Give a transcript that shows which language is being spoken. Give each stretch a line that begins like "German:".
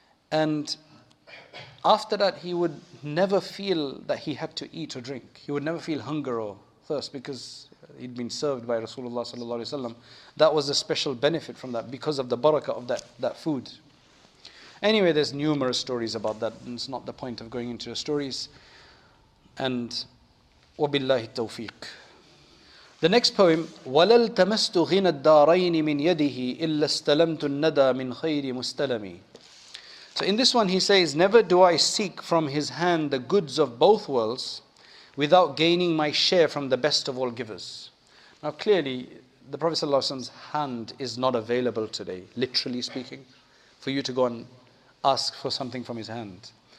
English: And after that he would never feel that he had to eat or drink. He would never feel hunger or thirst because he'd been served by Rasulullah sallallahu alaihi wasallam. That was a special benefit from that because of the barakah of that food. Anyway, there's numerous stories about that and it's not the point of going into the stories.
Arabic: And وَبِاللَّهِ التَّوْفِيقِ.
English: The next poem,
Arabic: وَلَلْ تَمَسْتُ غِنَ الدَّارَيْنِ مِنْ يَدِهِ إِلَّا اسْتَلَمْتُ النَّدَى مِنْ خَيْرِ مُسْتَلَمِي.
English: So in this one he says, never do I seek from his hand the goods of both worlds without gaining my share from the best of all givers. Now clearly, the Prophet ﷺ's hand is not available today, literally speaking, for you to go and ask for something from his hand.